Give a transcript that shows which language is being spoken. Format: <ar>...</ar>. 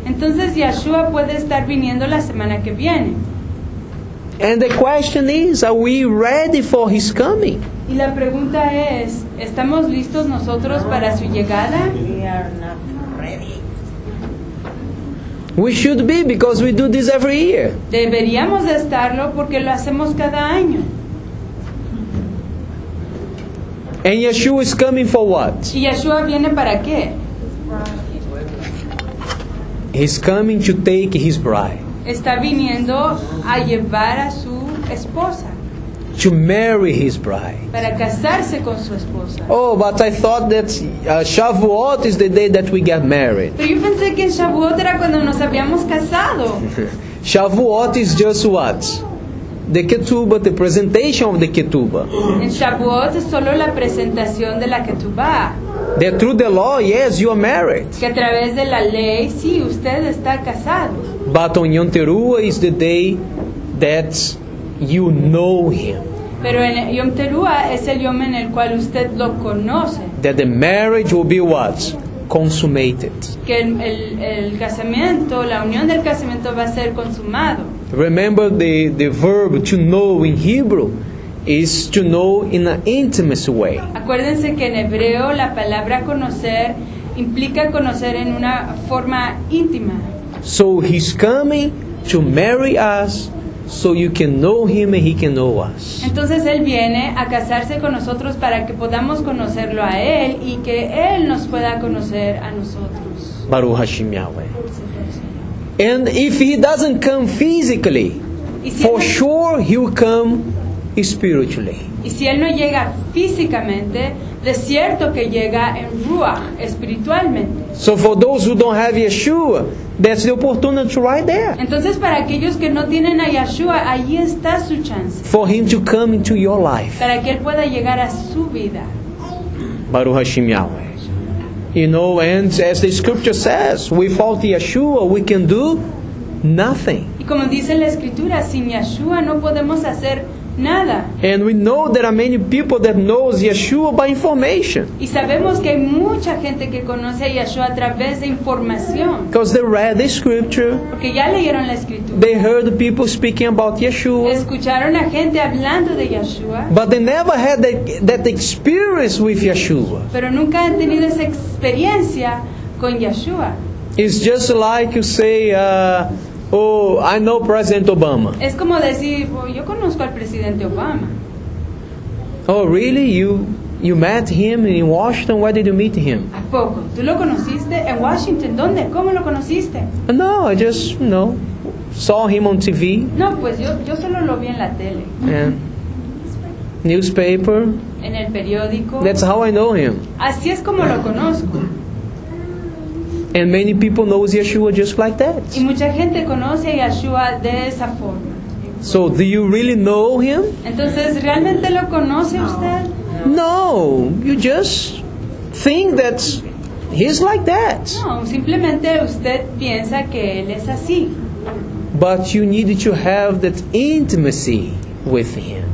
<es>Entonces Yeshua puede estar viniendo la semana que viene.</es> <en>And the question is, are we ready for his coming?</en> <es>Y la pregunta es, ¿estamos listos nosotros para su llegada?</es> <en>We are not ready. We should be, because we do this every year.</en> <es>Deberíamos de estarlo porque lo hacemos cada año.</es> <en>And Yeshua is coming for what?</en> <es>¿Y Yeshua viene para qué?</es> <en>He's coming to take his bride.</en> <es>Está viniendo a llevar a su esposa.</es> <en>To marry his bride.</en> <es>Para casarse con su esposa.</es> <en>Oh, but I thought that Shavuot is the day that we get married.</en> <es>Pero yo pensé que Shavuot era cuando nos habíamos casado.</es> <en>Shavuot is just what? The ketubah, the presentation of the ketubah.</en> <es>En Shavuot es solo la presentación de la ketubah.</es> <en>That through the law, yes, you are married.</en> <es>Que a través de la ley, sí, usted está casado.</es> <en>But on Yom Teruah is the day that you know him.</en> <es>Pero en Yom Teruah es el yom en el cual usted lo conoce.</es> <en>That the marriage will be what? Consummated.</en> <es>Que el casamiento, la unión del casamiento va a ser consumado.</es> <en>Remember the verb to know in Hebrew is to know in an intimate way.</en> <es>Acuérdense que en hebreo la palabra conocer implica conocer en una forma íntima.</es> <en>So he's coming to marry us so you can know him and he can know us.</en> <es>Entonces él viene a casarse con nosotros para que podamos conocerlo a él y que él nos pueda conocer a nosotros.</es> <he>Baruch Hashem Yahweh.</he> <en>And if he doesn't come physically, for sure he'll come spiritually.</en> <es>Y si él no llega físicamente, de cierto que llega en ruach, espiritualmente.</es> <en>So for those who don't have Yeshua, that's the opportunity right there.</en> <es>Entonces para aquellos que no tienen a Yeshua, ahí está su chance.</es> <en>For him to come into your life.</en> <es>Para que él pueda llegar a su vida.</es> <he>Baruch Hashem Yahweh.</he> <en>You know, and as the scripture says, without Yeshua we can do nothing.</en> <es>Y como dice la escritura, sin Yeshua no podemos hacer nada.</es> <en>And we know there are many people that knows Yeshua by information.</en> <es>Y sabemos que hay mucha gente que conoce a Yeshua a través de información.</es> <en>Because they read the scripture.</en> <es>Porque ya leyeron la escritura.</es> <en>They heard people speaking about Yeshua.</en> <es>Escucharon a gente hablando de Yeshua.</es> <en>But they never had that experience with Yeshua.</en> <es>Pero nunca han tenido esa experiencia con Yeshua.</es> <en>It's just like you say, oh, I know President Obama.</en> <es>Es como decir, yo conozco al presidente Obama.</es> <en>Oh, really? You met him in Washington? Where did you meet him?</en> <es>¿A poco? ¿Tú lo conociste en Washington? ¿Dónde? ¿Cómo lo conociste?</es> <en>No, I just, you know, saw him on TV.</en> <es>No, pues yo solo lo vi en la tele.</es> <en>Yeah. Newspaper.</en> <es>En el periódico.</es> <en>That's how I know him.</en> <es>Así es como lo conozco.</es> <en>And many people know Yeshua just like that.</en> <es>Y mucha gente conoce a Yeshua de esa forma.</es> <en>So do you really know him?</en> <es>Entonces, ¿realmente lo conoce usted?</es> <en>No, you just think that he's like that.</en> <es>No, simplemente usted piensa que él es así.</es> <en>But you need to have that intimacy with him.</en>